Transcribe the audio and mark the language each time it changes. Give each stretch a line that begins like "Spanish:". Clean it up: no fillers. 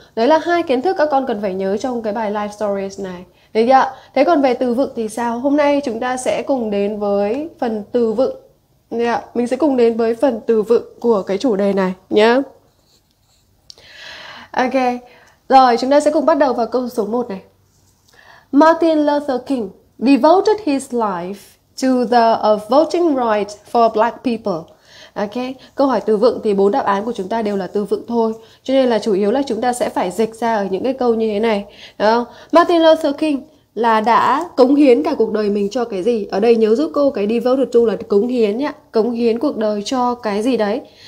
Vietnamese: Đấy là hai kiến thức các con cần phải nhớ trong cái bài Life Stories này. Đấy ạ. Thế còn về từ vựng thì sao? Hôm nay chúng ta sẽ cùng đến với phần từ vựng. Đấy ạ. Mình sẽ cùng đến với phần từ vựng của cái chủ đề này nhé. Ok. Rồi, chúng ta sẽ cùng bắt đầu vào câu số 1 này.
English: Martin Luther King devoted his life to the voting right for black people.
Vietnamese: Ok, câu hỏi từ vựng thì bốn đáp án của chúng ta đều là từ vựng thôi. Cho nên là chủ yếu là chúng ta sẽ phải dịch ra ở những cái câu như thế này. Đúng không? Martin Luther King là đã cống hiến cả cuộc đời mình cho cái gì? Ở đây nhớ giúp cô cái devoted to là cống hiến nhá. Cống hiến cuộc đời cho cái gì đấy.